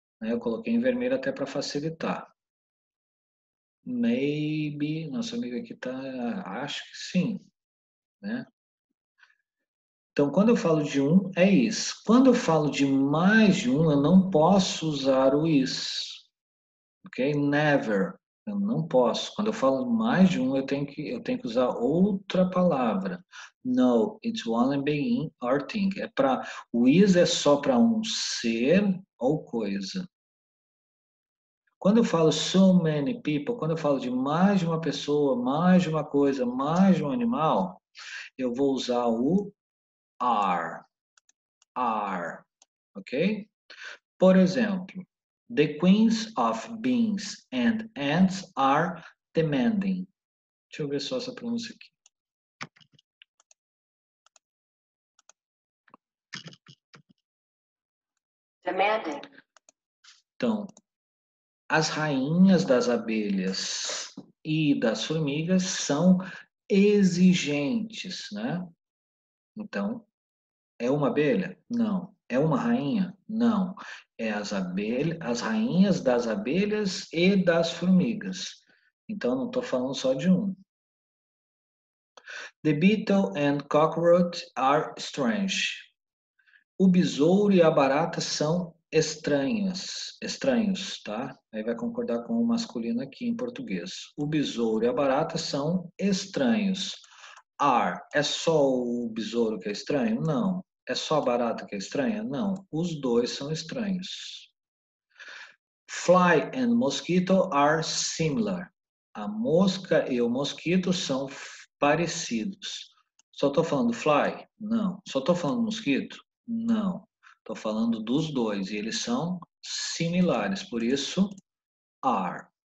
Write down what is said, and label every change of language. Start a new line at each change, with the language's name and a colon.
Portuguese: Eu coloquei em vermelho até para facilitar. Maybe, nossa amiga aqui está, acho que sim, né? Então, quando eu falo de um, é isso. Quando eu falo de mais de um, eu não posso usar o is. Ok? Never. Eu não posso. Quando eu falo mais de um, eu tenho que usar outra palavra.
English: No, it's only being or thing.
Portuguese: É para o is é só para um ser ou coisa. Quando eu falo
English: so many people,
Portuguese: quando eu falo de mais de uma pessoa, mais de uma coisa, mais de um animal, eu vou usar o are.
English: Are. Ok?
Portuguese: Por exemplo,
English: the queens of bees and ants are demanding.
Portuguese: Deixa eu ver só essa pronúncia aqui.
English: Demanding.
Portuguese: Então, as rainhas das abelhas e das formigas são exigentes, né? Então, é uma abelha? Não. É uma rainha? Não. É as rainhas das abelhas e das formigas. Então, não estou falando só de um.
English: The beetle and cockroach are strange.
Portuguese: O besouro e a barata são estranhas. Estranhos, tá? Aí vai concordar com o masculino aqui em português. O besouro e a barata são estranhos. Are. É só o besouro que é estranho? Não. É só a barata que é estranha? Não, os dois são estranhos.
English: Fly and mosquito are similar.
Portuguese: A mosca e o mosquito são parecidos. Só estou falando fly? Não. Só estou falando mosquito? Não. Estou falando dos dois e eles são similares, por isso are.